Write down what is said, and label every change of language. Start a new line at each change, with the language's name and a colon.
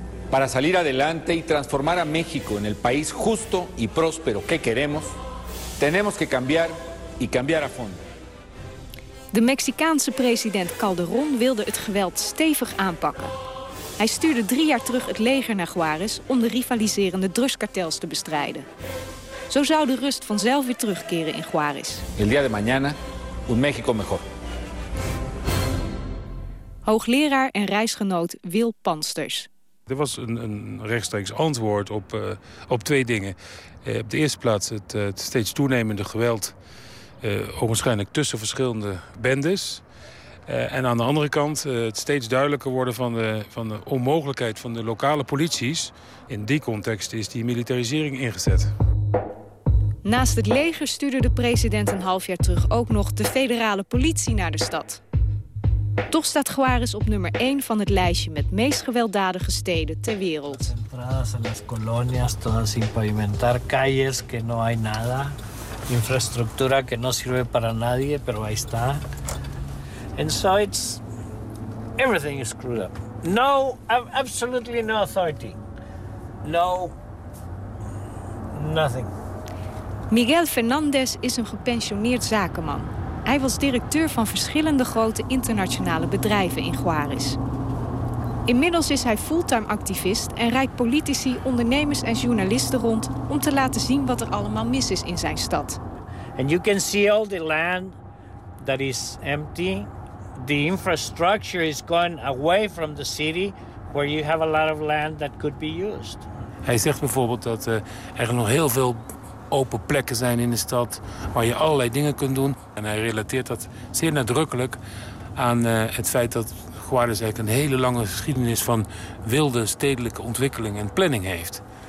Spanish: Para salir adelante y transformar a México en el país justo y próspero que queremos, tenemos que cambiar y cambiar a fondo.
Dutch: De Mexicaanse president Calderón wilde het geweld stevig aanpakken. Hij stuurde 3 jaar terug het leger naar Juárez om de rivaliserende drugskartels te bestrijden. Zo zou de rust vanzelf weer terugkeren in Juárez.
Spanish: El día de mañana, un México mejor.
Dutch: Hoogleraar en reisgenoot Wil Pansters. Er was een rechtstreeks antwoord op 2 dingen. Op de eerste plaats het steeds toenemende geweld. Onwaarschijnlijk tussen verschillende bendes. En aan de andere kant het steeds duidelijker worden van de onmogelijkheid van de lokale polities. In die context is die militarisering ingezet. Naast het leger stuurde de president een half jaar terug ook nog de federale politie naar de stad. Toch staat Juárez op nummer 1 van het lijstje met meest gewelddadige steden ter wereld.
Spanish: Entradas a las colonias, todas sin pavimentar, calles que no hay nada. Infraestructura que no sirve para nadie, pero ahí está.
English: And so it's everything is screwed up. No, absolutely no authority. No, nothing.
Dutch: Miguel Fernandez is een gepensioneerd zakenman. Hij was directeur van verschillende grote internationale bedrijven in Juárez. Inmiddels is hij fulltime activist en rijdt politici, ondernemers en journalisten rond om te laten zien wat er allemaal mis is in zijn stad.
English: And you can see all the land that is empty. The infrastructure is gone away from the city where you have a lot of land that could be used.
Dutch: Hij zegt bijvoorbeeld dat er nog heel veel open plekken zijn in de stad waar je allerlei dingen kunt doen. En hij relateert dat zeer nadrukkelijk aan het feit dat Juárez eigenlijk een hele lange geschiedenis van wilde stedelijke ontwikkeling en planning heeft.